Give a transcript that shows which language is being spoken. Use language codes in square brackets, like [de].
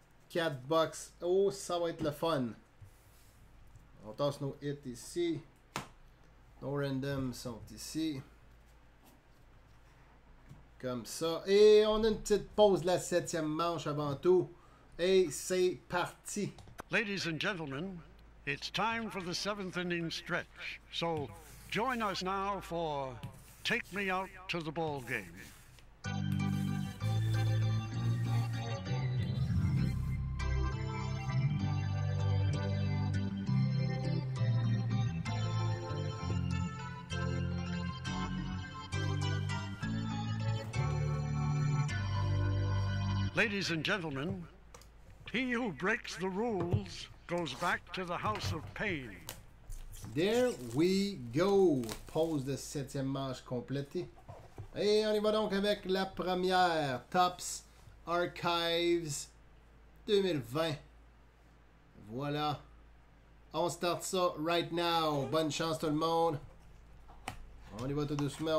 [fr] Quatre boxes. Oh, ça va être le fun. On tasse nos hits ici. Nos randoms sont ici. Comme ça. Et on a une petite pause de la septième manche avant tout. Et c'est parti. [en] Ladies and gentlemen, it's time for the seventh inning stretch. So join us now for Take Me Out to the Ball Game. Thank you. Ladies and gentlemen, he who breaks the rules goes back to the house of pain. There we go. [fr] Pause de septième manche complétée. Et on y va donc avec la première. Tops Archives 2020. Voilà. On start ça [en] right now. [fr] Bonne chance tout le monde. On y va tout doucement.